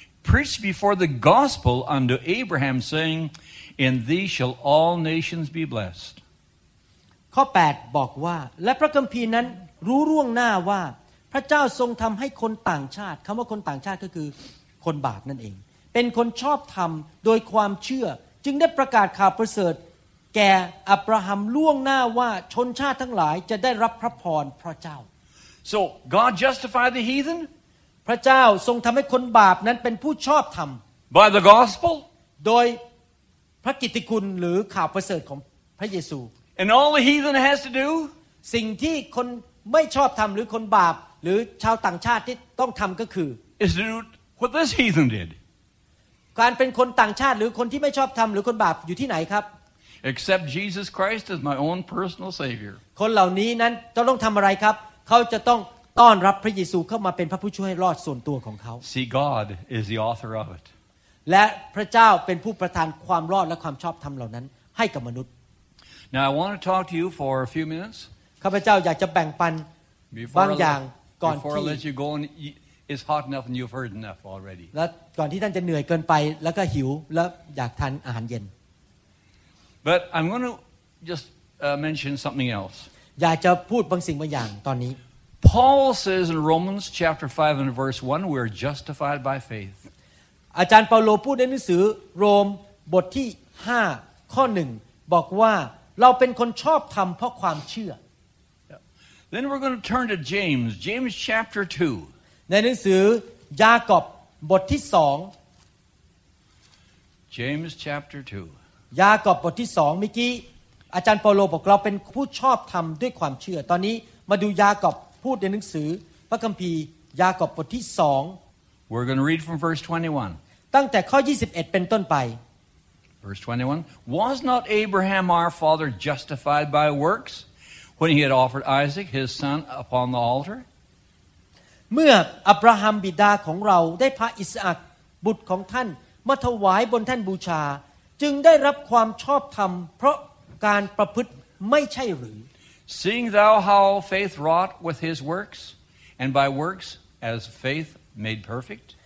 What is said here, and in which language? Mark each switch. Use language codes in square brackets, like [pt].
[en] preached before the gospel unto Abraham, saying, In thee shall all nations be blessed. [th] ข้อ 8 บอกว่าและพระคัมภีร์นั้นรู้ร่วงหน้าว่าพระเจ้าทรงทำให้คนต่างชาติคำว่าคนต่างชาติก็คือคนบาปนั่นเองเป็นคนชอบธรรมโดยความเชื่อจึงได้ประกาศข่าวประเสริฐแก่อับราฮัมล่วงหน้าว่าชนชาติทั้งหลายจะได้รับพระพรเพราะเจ้า [en] So God justified the heathen [th] พระเจ้าทรงทำให้คนบาปนั้นเป็นผู้ชอบธรรม [en] By the gospel [th] โดยพระกิตติคุณหรือข่าวประเสริฐของพระเยซู [en] And all the heathen has to do [th] สิ่งที่คนไม่ชอบธรรมหรือคนบาปหรือชาวต่างชาติที่ต้องทำก็คือ [en] Is to do what this heathen did [th] การเป็นคนต่างชาติหรือคนที่ไม่ชอบธรรมหรือคนบาปอยู่ที่ไหนครับ [en] accept Jesus Christ as my own personal savior [th] คนเหล่านี้นั้นจะต้องทำอะไรครับเขาจะต้องต้อนรับพระเยซูเข้ามาเป็นพระผู้ช่วยรอดส่วนตัวของเขา [en] See God is the author of it [th] และพระเจ้าเป็นผู้ประทานความรอดและความชอบธรรมเหล่านั้นให้กับมนุษย์ [en] Now I want to talk to you for a few minutes [th] ข้าพเจ้าอยากจะแบ่งปันบางอย่างก่อนที่ [en] Before I let you go and it's hot enough and you've heard enough already [th] และก่อนที่ท่านจะเหนื่อยเกินไปแล้วก็หิวแล้วอยากทานอาหารเย็น [en] But I'm going to just mention something else. [th] อยากจะพูดบางสิ่งบางอย่างตอนนี้ [en] Paul says in Romans chapter 5 and verse 1 we're justified by faith. [th] อาจารย์เปาโลพูดในหนังสือโรมบทที่5ข้อ1บอกว่าเราเป็นคนชอบธรรมเพราะความเชื่อ [en] Then we're going to turn to James, James chapter 2. [th] ในหนังสือยากอบบทที่2 [en] James chapter 2. [th] ยากอบบทที่2เมื่อกี้อาจารย์เปาโลบอกเราเป็นผู้ชอบธรรมด้วยความเชื่อตอนนี้มาดูยากอบพูดในหนังสือพระคัมภีร์ยากอบบทที่2 [en] We're going to read from verse 21 [th] ตั้งแต่ข้อ21เป็นต้นไป [en] Verse 21 Was not Abraham our father justified by works when he had offered Isaac his son upon the altar [th] เมื่ออับราฮัมบิดาของเราได้พาอิสอัคบุตรของท่านมาถวายบนแท่นบูชาจึงได้รับความชอบธรรมเพราะการประพฤติไม่ใช่หรือ [en] Seeing thou how faith wrought with his works and by works as faith made perfect